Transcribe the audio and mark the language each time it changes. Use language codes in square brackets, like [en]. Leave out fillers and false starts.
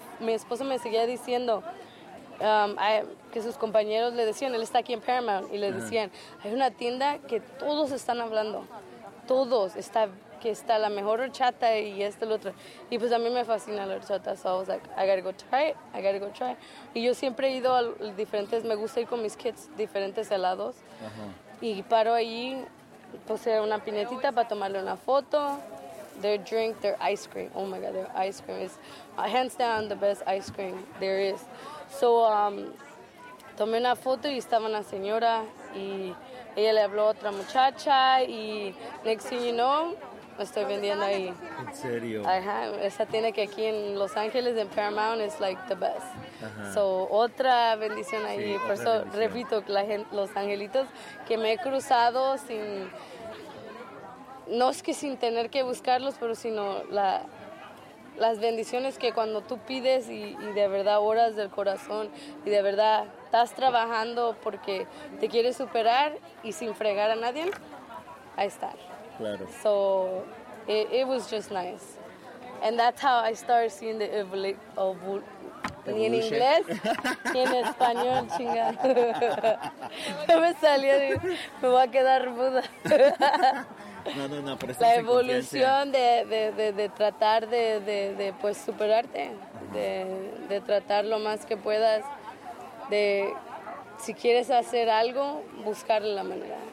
[es] Mi esposo me seguía diciendo que sus compañeros le decían, él está aquí en Paramount, y le decían, hay una tienda que todos están hablando, todos, está la mejor horchata y este el otro. Y pues a mí me fascina la horchata, [en] so I was like, I gotta go try it. [es] Y yo siempre he ido a diferentes, me gusta ir con mis kids, diferentes helados. Uh-huh. Y paro allí, puse una piñetita para tomarle una foto. [en] Their drink, their ice cream. Oh my God, their ice cream is hands down the best ice cream there is. [es] So, tomé una foto y estaba una señora y ella le habló a otra muchacha y [en] next thing you know, [es] me estoy vendiendo ahí. ¿En serio? Ajá, esa tiene que aquí en Los Ángeles, en Paramount, es [en] like the best. [es] Uh-huh. So, otra bendición ahí. Sí, por eso, bendición. Repito, los angelitos que me he cruzado sin... No es que sin tener que buscarlos, pero sino las bendiciones que cuando tú pides y de verdad oras del corazón y de verdad estás trabajando porque te quieres superar y sin fregar a nadie, ahí está. Claro. [en] So, it was just nice. And that's how I started seeing the evolution. [es] Ni en inglés, ni en español, chingada. Me salió y me voy a quedar muda. No, pero la evolución de tratar de pues superarte, de tratar lo más que puedas, de si quieres hacer algo, buscarle la manera.